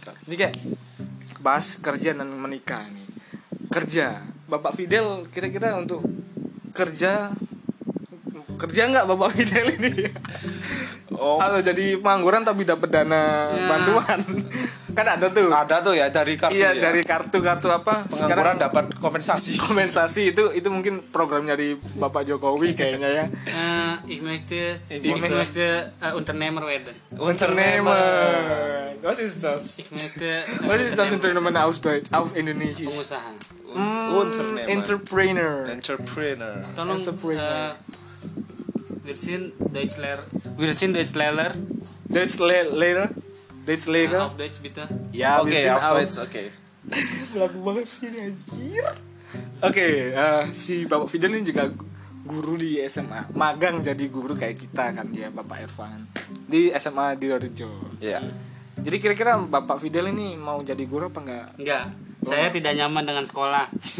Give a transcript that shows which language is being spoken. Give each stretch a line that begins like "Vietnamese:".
Indonesian: Ini kayak bahas kerja dan menikah nih. Kerja, Bapak Fidel, kira-kira untuk kerja nggak Bapak Fidel ini? Halo, jadi pengangguran tapi dapat dana bantuan. Kan ada tuh. Ada tuh ya dari kartu. Iya, ya. Dari kartu-kartu apa? Pengangguran dapat kompensasi. Kompensasi itu mungkin programnya di Bapak Jokowi kayaknya ya.
German: Ich möchte Unternehmer werden. Unternehmer. Was ist das? Unternehmer aus Deutsch auf Indonesisch.
Indonesian: Pengusaha.
German: Unternehmer. Entrepreneur.
English: Entrepreneur.
Indonesian: Tolong,
English: entrepreneur.
German: Wir sind Deutschlehrer. Deutschlehrer. Auf Deutsch bitte.
Indonesian: Ya,
German: oke, okay, auf Deutsch, oke.
Indonesian: Lagu banget sih ini anjir. Oke, si Bapak Fidel ini juga guru di SMA. Magang jadi guru kayak kita kan ya, Bapak Irfan. Di SMA di Rejo. Iya.
English: Yeah.
Indonesian: Jadi kira-kira Bapak Fidel ini mau jadi guru apa enggak? Enggak. Saya tidak nyaman dengan sekolah.